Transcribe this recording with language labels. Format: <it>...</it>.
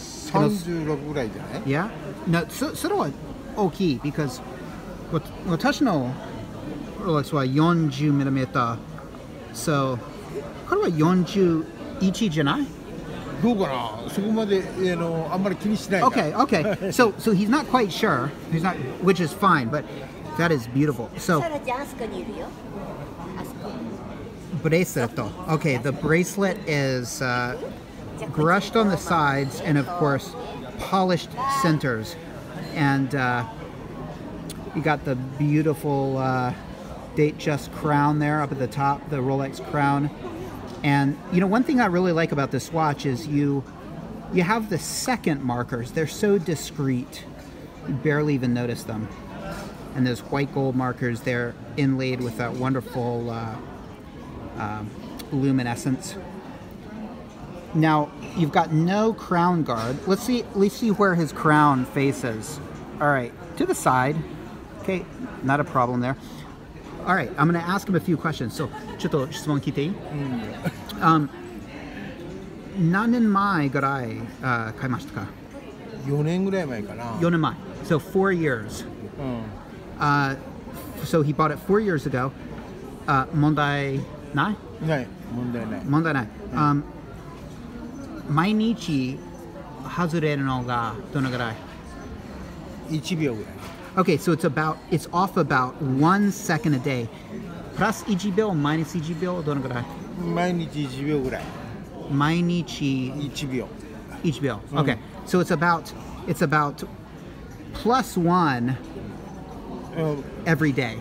<ja>36ぐらいじゃない？Yeah? No, それは大きい、</ja> <en>because</en> <ja>私のロレックスは40ミリメーター。 So, これは41じゃない？どうかな？そこまで、あんまり気にしない。</ja> <en>Okay, okay. So he's not quite sure. He's not, which is fine, but that is beautiful. So,</en> <ja>それじゃあ、あそこにいるよ。</ja> <en>Bracelet. Okay, the bracelet is brushed on the sides and, of course, polished centers. And you got the beautiful date just crown there up at the top, the Rolex crown. And, you know, one thing I really like about this watch is you have the second markers. They're so discreet. You barely even notice them. And those white gold markers, they're inlaid with that wonderful luminescence. Now, you've got no crown guard. Let's see where his crown faces. All right, to the side. Okay, not a problem there. All right, I'm going to ask him a few questions.</en> <ja>So, ちょっと質問聞いていい？何年前ぐらい買いましたか？ 4年ぐらい前かな。 4年前。</ja> <en>So, 4 years. So he bought it 4 years ago.</en> <ja>問題ない？ない。問題ない。問題ない。毎日外れるのがどのぐらい？ 1秒ぐらい。</ja> <en>Okay, so it's off about 1 second a day.</en> <ja>プラス1秒、マイナス1秒どのぐらい？毎日1秒ぐらい。毎日 1秒。 1秒。</ja> <en>Okay, so it's about plus one every day.</en>